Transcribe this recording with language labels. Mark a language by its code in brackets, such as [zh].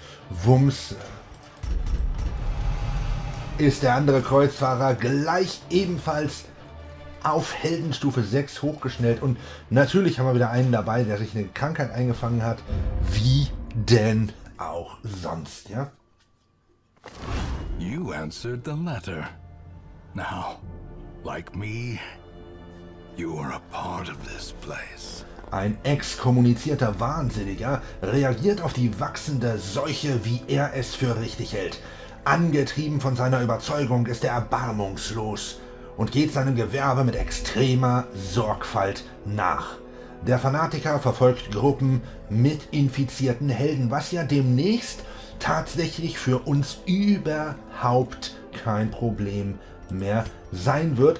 [de] Wumms. Ist der andere Kreuzfahrer gleich ebenfalls auf Heldenstufe 6 hochgeschnellt und natürlich haben wir wieder einen dabei, der sich eine Krankheit eingefangen hat. Wie denn auch sonst, ja? [en] You answered the letter. Now, like me, you are a part of this place. [de] Ein exkommunizierter Wahnsinniger reagiert auf die wachsende Seuche, wie er es für richtig hält. Angetrieben von seiner Überzeugung ist er erbarmungslos und geht seinem Gewerbe mit extremer Sorgfalt nach. Der Fanatiker verfolgt Gruppen mit infizierten Helden, was ja demnächst tatsächlich für uns überhaupt kein Problem mehr sein wird.